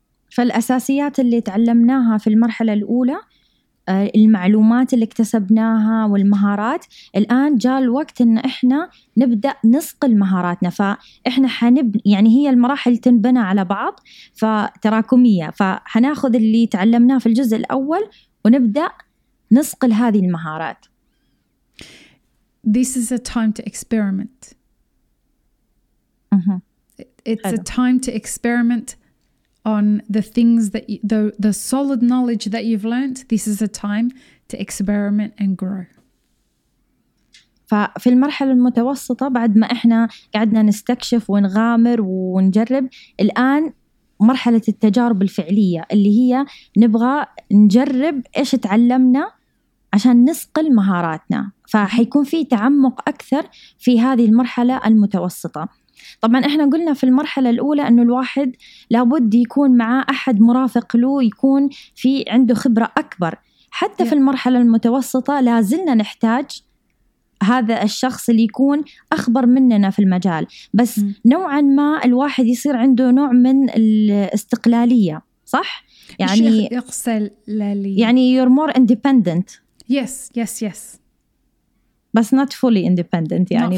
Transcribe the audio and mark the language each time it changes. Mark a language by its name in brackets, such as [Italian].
[Arabic] فالاساسيات اللي تعلمناها في المرحله الاولى، المعلومات اللي اكتسبناها والمهارات، الآن جاء الوقت إن إحنا نبدأ نصقل مهاراتنا. فإحنا يعني هي المراحل تنبنى على بعض فتراكمية، فحناخذ اللي تعلمناه في الجزء الأول ونبدأ نصقل هذه المهارات. [English] This is a time to experiment. It's a time to experiment on the things that the solid knowledge that you've learned. This is a time to experiment and grow. [Arabic] ففي المرحلة المتوسطة بعد ما احنا قعدنا نستكشف ونغامر ونجرب، الآن مرحلة التجارب الفعلية اللي هي نبغى نجرب ايش تعلمنا عشان نسقل مهاراتنا، فحيكون في تعمق اكثر في هذه المرحلة المتوسطة. طبعا احنا قلنا في المرحلة الأولى انه الواحد لابد يكون معاه احد مرافق له، يكون في عنده خبرة اكبر. حتى في المرحلة المتوسطة لازلنا نحتاج هذا الشخص اللي يكون اخبر مننا في المجال، بس نوعا ما الواحد يصير عنده نوع من الاستقلالية، صح؟ يعني استقلالية، يعني [English] you're more independent. Yes [Arabic] بس [English] not fully independent، [Arabic] يعني